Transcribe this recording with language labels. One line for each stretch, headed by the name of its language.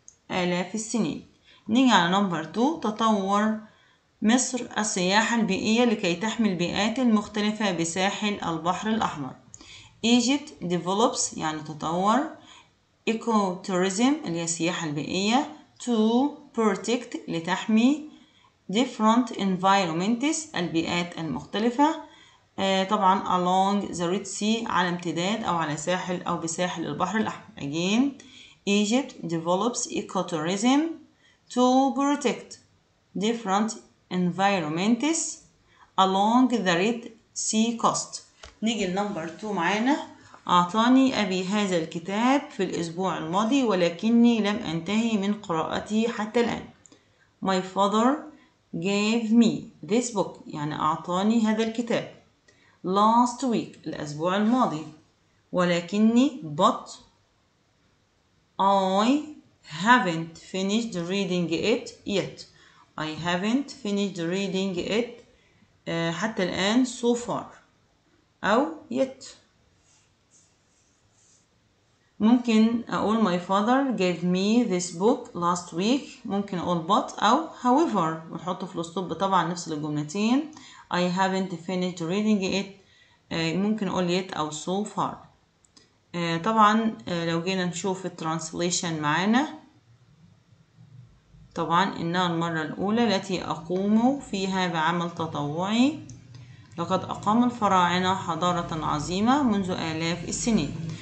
Arabic: آلاف السنين نيجي على نمبر 2 تطور مصر السياحة البيئية لكي تحمي البيئات المختلفة بساحل البحر الأحمر
English: Egypt develops
Arabic: يعني تطور
English: Ecotourism
Arabic: اللي هي السياحة البيئية
English: to protect
Arabic: لتحمي
English: different environments
Arabic: البيئات المختلفة طبعا
English: along the Red Sea
Arabic: على امتداد أو على ساحل أو بساحل البحر الأحمر.
English: Again, Egypt develops ecotourism to protect different environments along the Red Sea coast.
Arabic: نيجي لنمبر 2 معانا. أعطاني أبي هذا الكتاب في الأسبوع الماضي ولكني لم أنتهي من قراءته حتى الآن.
English: My father gave me this book
Arabic: يعني أعطاني هذا الكتاب.
English: Last week
Arabic: الأسبوع الماضي ولكني
English: but I haven't finished reading it yet. I haven't finished reading it
Arabic: حتى الآن
English: so far أو yet.
Arabic: ممكن أقول
English: my father gave me this book last week.
Arabic: ممكن أقول
English: but
Arabic: أو
English: however
Arabic: ونحطه في الأسلوب طبعا نفس الجملتين.
English: I haven't finished reading it.
Arabic: ممكن أقول
English: yet أو so far.
Arabic: طبعا لو جينا نشوف الترانسليشن معنا طبعا إنها المرة الأولى التي أقوم فيها بعمل تطوعي. لقد أقام الفراعنة حضارة عظيمة منذ آلاف السنين.